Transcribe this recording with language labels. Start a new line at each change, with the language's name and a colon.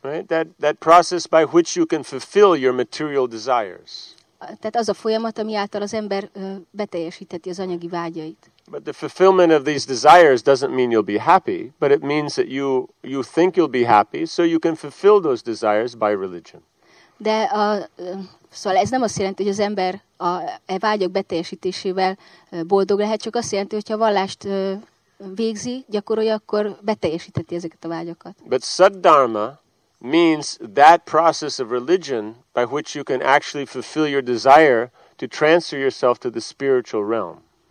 English: Right? That process by which you can fulfill your material desires.
Hungarian: Tehát az a folyamat, ami által az ember beteljesítheti az anyagi vágyait.
English: But the fulfillment of these desires doesn't mean you'll be happy, but it means that you think you'll be happy, so you can fulfill those desires by religion.
Hungarian: De a szóval ez nem azt jelenti, hogy az ember a vágyak beteljesítésével boldog lehet, csak azt jelenti, hogy ha vallást végzi, gyakorolja, akkor beteljesítheti ezeket a vágyakat.
English: But Saddharma means that process of religion by which you can actually fulfill your desire to transfer yourself to the spiritual realm.